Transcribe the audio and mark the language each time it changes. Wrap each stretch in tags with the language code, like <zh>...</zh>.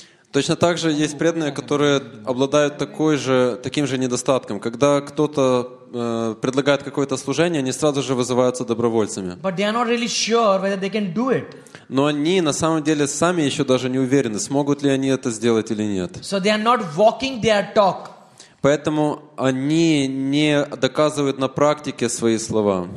<ru>Точно так же есть преданные, которые обладают таким же недостатком. Когда кто-то предлагает какое-то служение, они сразу же вызываются добровольцами.</ru> <en>But they are not really sure whether they can do it.</en> <ru>Но они на самом деле сами еще даже не уверены, смогут ли они это сделать или нет.</ru> <en>So they are not walking their talk.</en> <ru>Поэтому они не доказывают на практике свои слова.</ru>